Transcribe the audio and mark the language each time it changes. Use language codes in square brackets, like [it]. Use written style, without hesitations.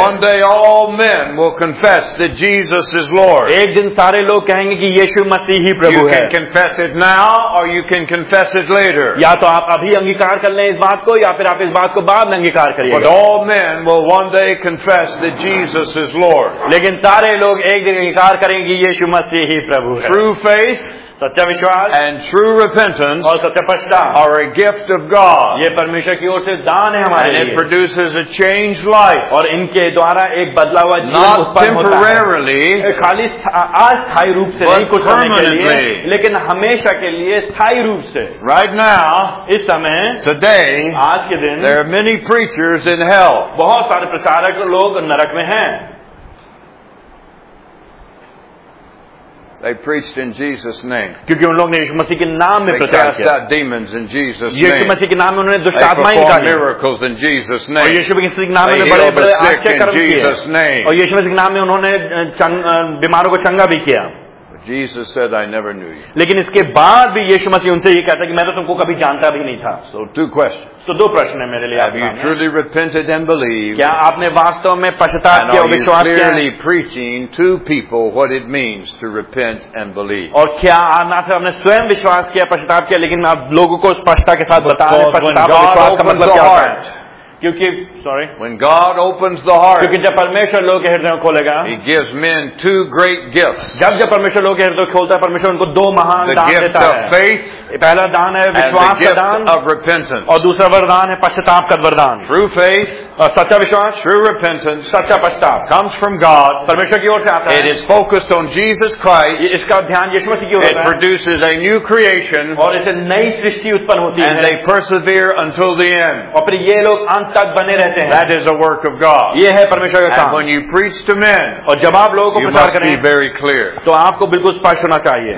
[en] One day all men will confess that Jesus is Lord. [hi] एक दिन सारे लोग कहेंगे कि यीशु मसीह ही प्रभु है. [en] You can confess it now or you can confess it later. [hi] या तो आप अभी अंगीकार कर लें इस बात को या फिर आप इस बात को बाद में अंगीकार करिएगा. [en] But all men will one day confess that Jesus is Lord. [hi] लेकिन सारे लोग एक दिन अंगीकार करेंगे कि यीशु मसीह ही प्रभु है. [en] True faith [hi] सच्चा विश्वास [en] and true repentance [hi] और सच्चा पश्चाताप [en] are a gift of God. [hi] ये परमेश्वर की ओर से दान है हमारे लिए. [en] It produces a changed life. [hi] और इनके द्वारा एक बदला हुआ जीवन उत्पन्न होता है. [en] Not temporarily, [hi] खाली अस्थायी रूप से नहीं, कुछ समय के लिए, लेकिन हमेशा के लिए स्थायी रूप से. [en] Right now, [hi] इस समय, [en] today, [hi] आज के दिन, [en] there are many preachers in hell. [hi] बहुत सारे प्रचारक लोग नरक में हैं. [en] They preached in Jesus' name. [hi] क्योंकि उन लोगों ने यीशु मसीह के नाम में प्रचार किया. [en] They cast out demons in Jesus' name. [hi] यीशु मसीह के नाम में उन्होंने दुष्ट आत्माएं निकाली. [en] They performed miracles in Jesus' name. [hi] और यीशु मसीह के नाम में बड़े बड़े आश्चर्य कर्म किए. [en] In Jesus' name. [hi] और यीशु मसीह के नाम में उन्होंने बीमारों को चंगा भी किया. [en] Jesus said, "I never knew you." [hi] लेकिन इसके बाद भी यीशु मसीह उनसे ये कहता है कि मैं तो तुमको कभी जानता भी नहीं था. [en] So two questions. [hi] तो दो प्रश्न हैं मेरे लिए. [en] Have you truly repented and believed? [hi] क्या आपने वास्तव में पश्चाताप किया और विश्वास किया? [en] And are you clearly preaching to people what it means to repent and believe? [hi] और क्या आपने स्वयं विश्वास किया, पश्चाताप किया, लेकिन आप लोगों को स्पष्टता के साथ बता रहे हैं पश्चाताप और विश्वास का मतलब क्या है? [en] When God opens the heart, [hi] क्योंकि जब परमेश्वर लोगों के हृदय खोलेगा, [en] He gives men two great gifts. [hi] जब जब परमेश्वर लोगों के हृदय खोलता है, परमेश्वर उनको दो महान दान देता है. [en] The gift of faith, [hi] पहला दान है विश्वास का दान, [en] and the gift of repentance, [hi] और दूसरा वरदान है पश्चाताप का वरदान. [en] True faith, [hi] सच्चा विश्वास, [en] true repentance, [hi] सच्चा पश्चाताप, [en] comes from God, [hi] परमेश्वर की ओर से आता है. [en] It is focused on Jesus Christ, [hi] इसका ध्यान यीशु मसीह की ओर है. [en] It produces a new creation, [hi] और इसे नई सृष्टि उत्पन्न होती है. [en] And they persevere until the end, [hi] और फिर ये लोग अंत तक बने रहते हैं. [en] That is a work of God, [hi] ये है परमेश्वर का काम. [en] When you preach to men, [hi] और जब आप लोगों को प्रचार करें, [en] you must be very clear, [hi] तो आपको बिल्कुल स्पष्ट होना चाहिए.